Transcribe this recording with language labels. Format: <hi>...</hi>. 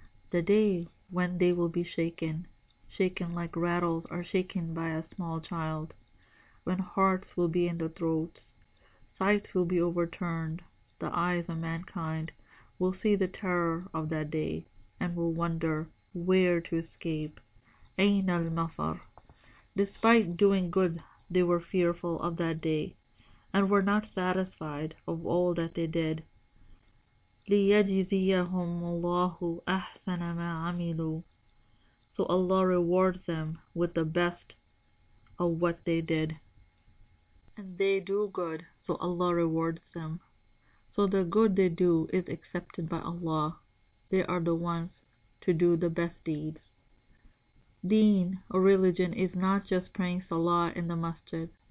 <en>The day when they will be shaken, shaken like rattles are shaken by a small child, when hearts will be in the throats, sights will be overturned, the eyes of mankind will see the terror of that day and will wonder where to escape.</en> <ar>Ayn al-mafar.</ar> <en>Despite doing good, they were fearful of that day and were not satisfied of all that they did.</en> <ar>ليجزيهم الله أحسن ما عملوا.</ar> <en>So Allah rewards them with the best of what they did. And they do good, so Allah rewards them. So the good they do is accepted by Allah. They are the ones to do the best deeds. Deen, or religion, is not just praying Salah in the masjid.</en>